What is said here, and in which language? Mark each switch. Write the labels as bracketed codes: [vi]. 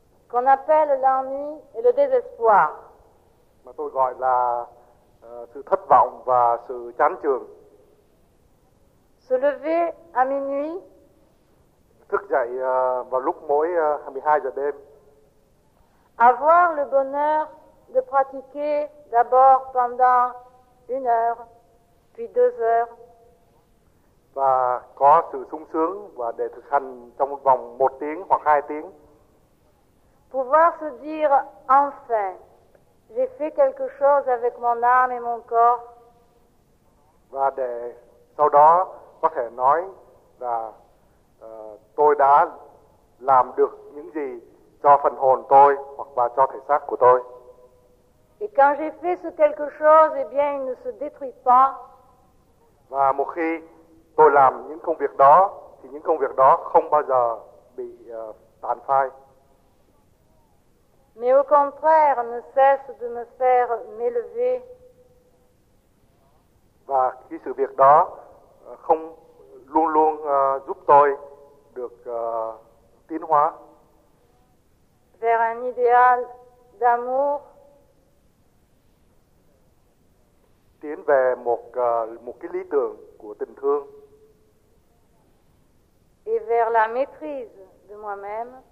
[fr] Qu'on appelle l'ennui et le désespoir. [vi] Mà tôi gọi là sự thất vọng và sự chán chường. [fr] Se lever à minuit. [vi] Thức dậy vào lúc mỗi 12 giờ đêm. [fr] Avoir le bonheur de pratiquer d'abord pendant une heure, puis deux heures. [vi] Và có sự sung sướng và để thực hành trong vòng một tiếng hoặc hai tiếng. [fr] Pouvoir se dire enfin, j'ai fait quelque chose avec mon âme et mon corps. [vi] Và để sau đó có thể nói là tôi đã làm được những gì cho phần hồn tôi hoặc và cho thể xác của tôi. [fr] Et quand j'ai fait ce quelque chose, eh bien, il ne se détruit pas. [vi] Và một khi tôi làm những công việc đó thì những công việc đó không bao giờ bị tàn phai. [fr] Mais au contraire, ne cesse de me faire m'élever. [vi] Và cái sự việc đó không luôn luôn giúp tôi được tiến hóa. [fr] Vers un idéal d'amour. [vi] Tiến về một một cái lý tưởng của tình thương. [fr] Et vers la maîtrise de moi-même.